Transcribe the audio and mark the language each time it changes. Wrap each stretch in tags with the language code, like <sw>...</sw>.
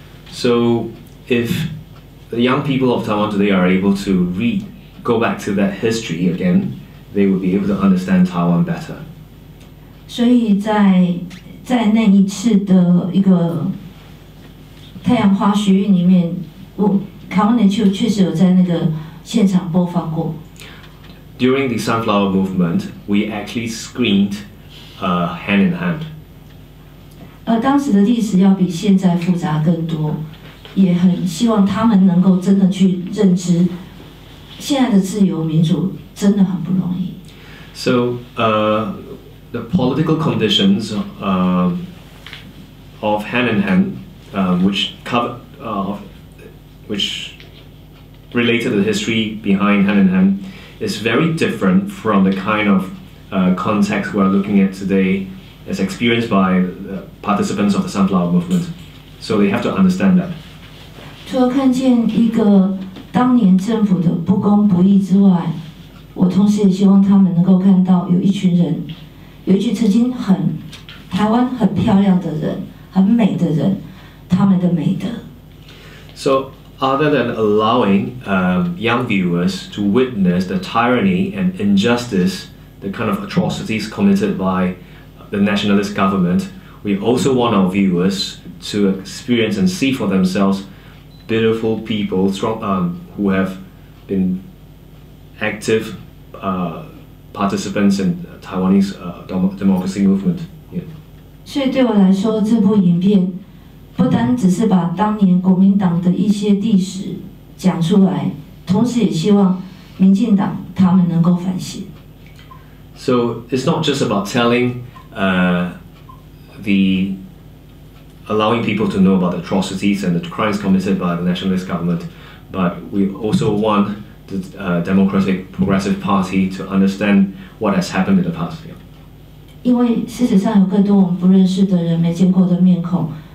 <en>So if the young people of Taiwan today are able to go back to that history again, they would be able to understand Taiwan better.</en> <zh>所以在那一次的一个太阳花学运里面，我台湾的就确实有在那个现场播放过。</zh> <en>During the Sunflower Movement, we actually screened Hand in Hand.</en> <zh>当时的历史要比现在复杂更多，也很希望他们能够真的去认知现在的自由民主真的很不容易。</zh> <en>So the political conditions of Han and Han which covered which related to the history behind Han and Han is very different from the kind of context we are looking at today as experienced by the participants of the Sunflower Movement. So they have to understand that.</en> <zh>除了看见一个当年政府的不公不义之外，我同时也希望他们能够看到有一群人，有一群曾经很台湾很漂亮的人，很美的人，他们的美德。</zh> <en>So other than allowing young viewers to witness the tyranny and injustice, the kind of atrocities committed by the nationalist government, we also want our viewers to experience and see for themselves beautiful people, strong, who have been active participants in Taiwanese democracy movement. Yeah.</en> <zh>So,不单只是把当年国民党的一些历史讲出来，同时也希望民进党他们能够反省。</zh> <en>So it's not just about telling, the allowing people to know about the atrocities and the crimes committed by the nationalist government, but we also want the Democratic Progressive Party to understand what has happened in the past.</en> <zh>因为事实上有更多我们不认识的人、没见过的面孔。</zh>